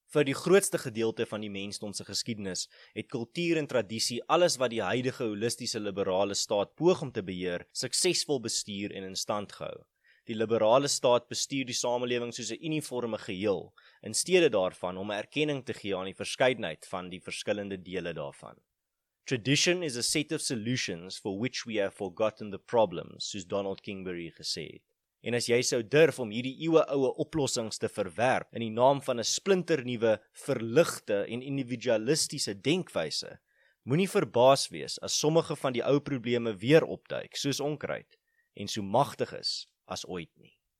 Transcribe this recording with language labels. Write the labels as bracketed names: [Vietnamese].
[Afrikaans] Vir die grootste gedeelte van die mensdom se geskiedenis het kultuur en tradisie alles wat die huidige holistiese liberale staat poog om te beheer, suksesvol bestuur en in stand gehou. Die liberale staat bestuur die samelewing soos 'n uniforme geheel, in steede daarvan om erkenning te gee aan die verskeidenheid van die verskillende dele daarvan. [English] Tradition is a set of solutions for which we have forgotten the problems, [Afrikaans] soos Donald Kingsbury gesê het. En as jy sou durf om hierdie eeueoue oplossings te verwerp in die naam van 'n splinternuwe, verligte en individualistiese denkwyse, moenie verbaas wees as sommige van die ou probleme weer opduik, soos onkruid, en so magtig is as ooit nie.